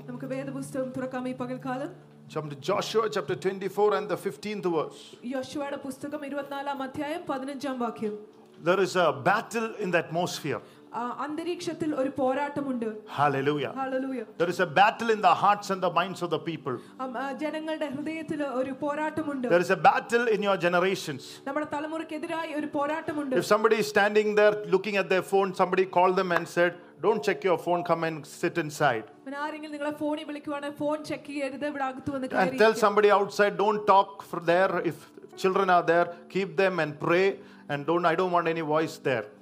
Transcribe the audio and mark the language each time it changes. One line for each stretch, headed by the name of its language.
Malayalam: നമുക്ക് വേദപുസ്തകം തുറക്കാം ഈ പകൽക്കാലം.
English: Jump to Joshua chapter 24 and the 15th verse.
Malayalam: യോശുവയുടെ പുസ്തകം 24ാം അധ്യായം 15ാം വാക്യം.
English: There is a battle in the atmosphere.
Malayalam: അന്തരീക്ഷത്തിൽ ഒരു പോരാട്ടമുണ്ട്. Hallelujah. Hallelujah.
English: There is a battle in the hearts and the minds of the people.
Malayalam: ജനങ്ങളുടെ ഹൃദയത്തിൽ ഒരു പോരാട്ടമുണ്ട്.
English: There is a battle in your generations.
Malayalam: നമ്മുടെ തലമുറക്കെതിരായി ഒരു പോരാട്ടമുണ്ട്.
English: If somebody is standing there looking at their phone, somebody called them and said, "Don't check your phone, come and sit inside." And tell somebody outside, don't talk for there. If children are there, keep them and pray. And don't, I don't want any voice there.